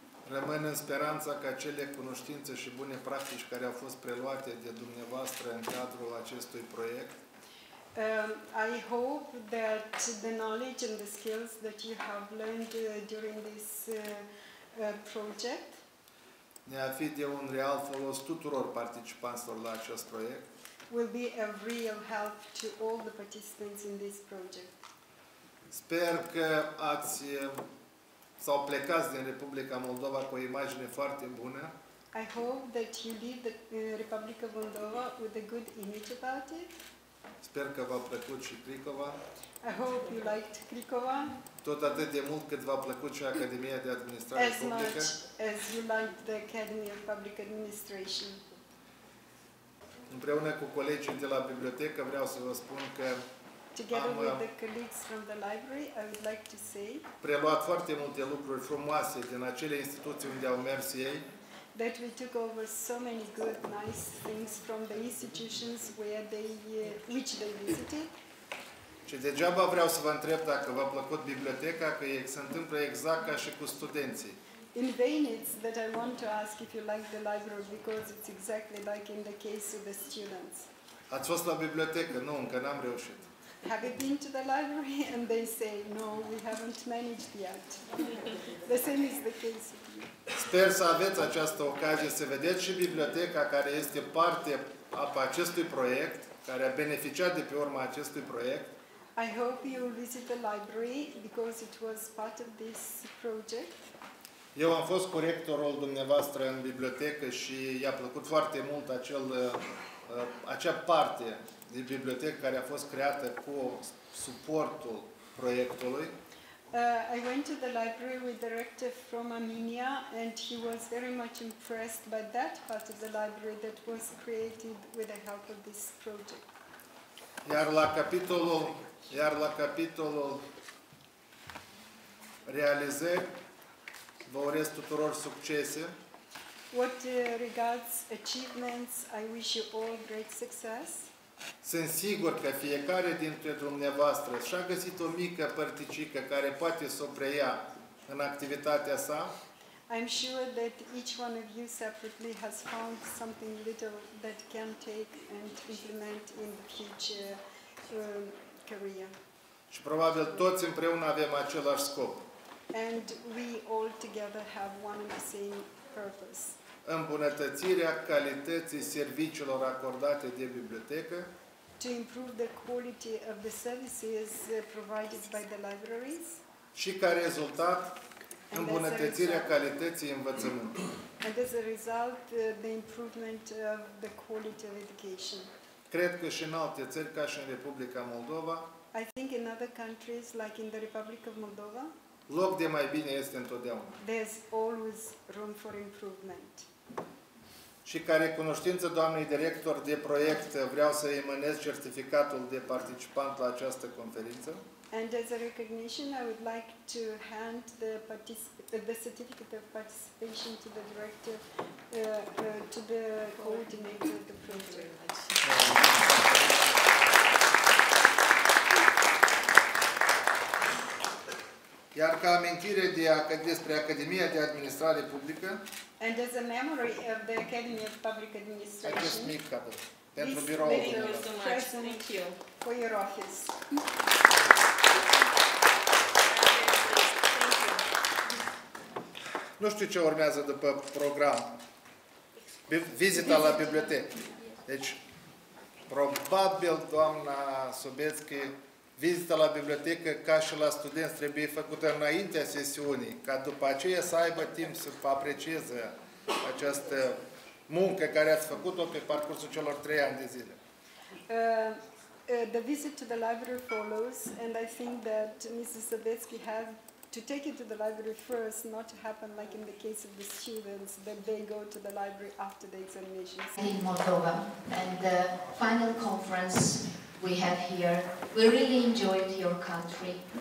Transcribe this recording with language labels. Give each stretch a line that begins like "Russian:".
Romanian: Rămân în speranța că acele cunoștințe și bune practici care au fost preluate de dumneavoastră în cadrul acestui proiect
English: I hope that the knowledge and the skills that you have learned during this project
Romanian: ne-ar fi de un real folos tuturor participanților la acest proiect.
English: Will be a real help to all the participants in this project.
Romanian: Sper că ați sau plecați din Republica Moldova cu o imagine foarte bună.
English: I hope that you leave the Republic of Moldova with a good image about it.
Romanian: Sper că v-a plăcut și Cricova.
English: I hope you liked Cricova.
Romanian: Tot atât de mult cât v-a plăcut și Academia de Administrare
English: as
Romanian: Publică.
English: As much as you liked the Academy of Public Administration.
Romanian: Împreună cu colegii de la bibliotecă vreau să vă spun că
English: together with the colleagues from the library, I would like to say
Romanian: preluat foarte multe lucruri frumoase din acele instituții unde au mers ei.
English: That we took over so many good, nice things from the institutions where they, which they visited.
Romanian: Și degeaba vreau să vă întreb dacă v-a plăcut biblioteca, că se întâmplă exact ca și cu studenții.
English: In vain it's that I want to ask if you like the library because it's exactly like in the case of the students.
Romanian: Ați fost la bibliotecă? Nu, încă n-am reușit.
English: Have you been to the library? And they say, no, we haven't managed yet. The same is the case.
Romanian: Sper să aveți această ocazie să vedeți și biblioteca care este parte a acestui proiect, care a beneficiat de pe urma acestui proiect.
English: I hope you will visit the library because it was part of this project.
Romanian: Eu am fost cu rectorul dumneavoastră în bibliotecă și i-a plăcut foarte mult acea parte din bibliotecă care a fost creată cu suportul proiectului.
English: I went to the library with the rector from Armenia and he was very much impressed by that part of the library that was created with the help of this project.
Romanian: Iar la capitolul realizări, vă urez tuturor succese.
English: What regards achievements, I wish you all great success.
Romanian: Sunt sigur că fiecare dintre dumneavoastră și-a găsit o mică părticică care poate să o preia în activitatea sa.
English: I'm sure that each one of you separately has found something little that can take and implement in the future career.
Romanian: Și probabil toți împreună avem același scop.
English: And we all together have one and the same purpose.
Romanian: Îmbunătățirea calității serviciilor acordate de bibliotecă.
English: To improve the quality of the services provided by the libraries.
Romanian: Și ca rezultat, Îmbunătățirea calității învățământului.
English: And as a result, the improvement of the quality of education.
Romanian: Cred că și în alte țări, ca și în Republica Moldova,
English: I think in other countries, like in the Republic of Moldova,
Romanian: loc de mai bine este întotdeauna.
English: There's always room for improvement.
Romanian: Și ca recunoștință doamnei director de proiect, vreau să emanez certificatul de participant la această conferință.
English: And as a recognition, I would like to hand the certificate of participation to the director, to the coordinator of the project.
Romanian: Iar ca amintire de despre Academia de Administrare Publică,
English: and as a memory of the Academy of Public Administration,
Romanian: acest mic cadou pentru biroul dumneavoastră.
English: For your office.
Romanian: Nu știu ce urmează după program. Vizita la bibliotecă. Deci, probabil, doamna Sobețchi, vizita la bibliotecă, ca și la studenți, trebuie făcută înaintea sesiunii, ca după aceea să aibă timp să aprecieze această muncă care ați făcut-o pe parcursul celor 3 ani de zile.
English: The visit to the library follows, and I think that Mrs. Sobetsky has to take it to the library first, not to happen like in the case of the students, that they go to the library after the examination. In Moldova, and the final conference we have here, we really enjoyed your country.